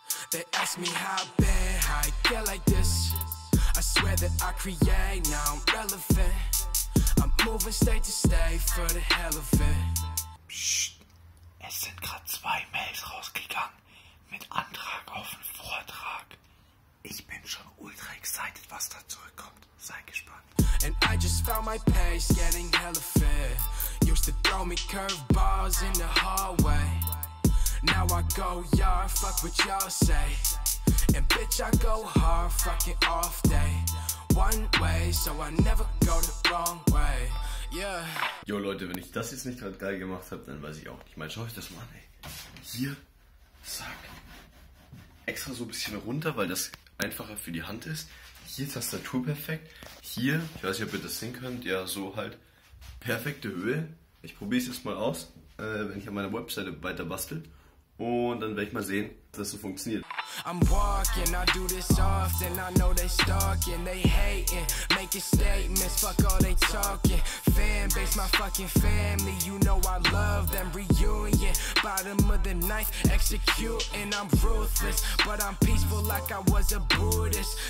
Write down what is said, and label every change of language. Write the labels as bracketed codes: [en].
[en] They ask me how bad, how I get like this. I swear that I create, now I'm relevant. I'm moving state to state for the hell of it. [de] Psst, es sind gerade zwei Mails rausgegangen mit Antrag auf einen Vortrag. Ich bin schon ultra excited, was da zurückkommt. Sei gespannt. [en] And I just found my pace getting hella fit. Used to throw me curveballs in the hallway. Now I go yard, fuck what y'all say. And bitch, I go hard, fucking off day. One way, so I never go the wrong way. Yeah. [de] Yo Leute, wenn ich das jetzt nicht gerade geil gemacht habe, dann weiß ich auch nicht. Ich meine, schau euch das mal an, ey. Hier, zack. Extra so ein bisschen runter, weil das einfacher für die Hand ist. Hier Tastatur perfekt. Hier, ich weiß nicht, ob ihr das sehen könnt. Ja, so halt. Perfekte Höhe. Ich probiere es jetzt mal aus, wenn ich an meiner Webseite weiter bastel. Und dann werde ich mal sehen, dass das so funktioniert. [en] I'm walking, I do this often. I know they stalking, they hating. Making statements, fuck all they talking. Fan base, my fucking family. You know I love them. Reunion, bottom of the ninth. Executing, I'm ruthless. But I'm peaceful like I was a Buddhist.